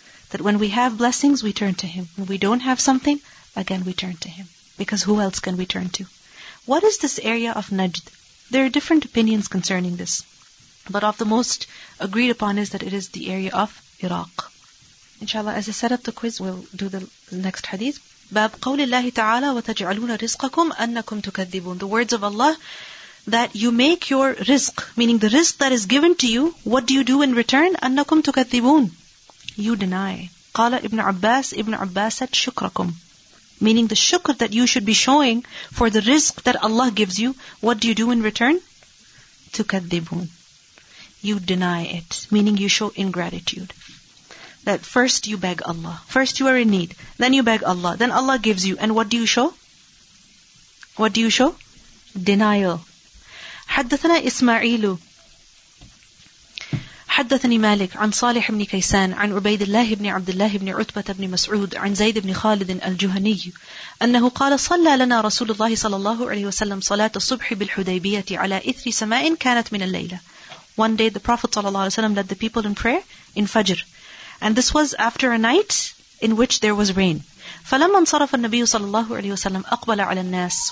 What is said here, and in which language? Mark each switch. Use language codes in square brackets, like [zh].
[en] That when we have blessings, we turn to Him. When we don't have something, again we turn to Him. Because who else can we turn to? What is this area of Najd? There are different opinions concerning this. But of the most agreed upon is that it is the area of Iraq. Inshallah, as I set up the quiz, we'll do the next hadith. [ar] باب قول الله تعالى وتجعلون رزقكم أنكم تكذبون. [en] The words of Allah, that you make your rizq, meaning the rizq that is given to you, what do you do in return? [ar] أنكم تكذبون. [en] You deny. [ar] قال ابن عباس, ابن عباس [en] said [ar] شكركم. [en] Meaning the shukr that you should be showing for the rizq that Allah gives you, what do you do in return? [ar] تكذبون. [en] You deny it. Meaning you show ingratitude. That first you beg Allah. First you are in need. Then you beg Allah. Then Allah gives you. And what do you show? What do you show? Denial. [ar] حدثنا إسماعيل حدثني مالك عن صالح بن كيسان عن عبيد الله بن عبد الله بن عتبة بن مسعود عن زيد بن خالد الجهني أنه قال صلى لنا رسول الله صلى الله عليه وسلم صلاة الصبح بالحديبية على إثر سماء كانت من الليلة. [en] One day the Prophet صلى الله عليه وسلم led the people in prayer in Fajr. And this was after a night in which there was rain. [ar] فَلَمَّا انصرف النَّبِيُّ صلى الله عليه وسلم أقبل على الناس.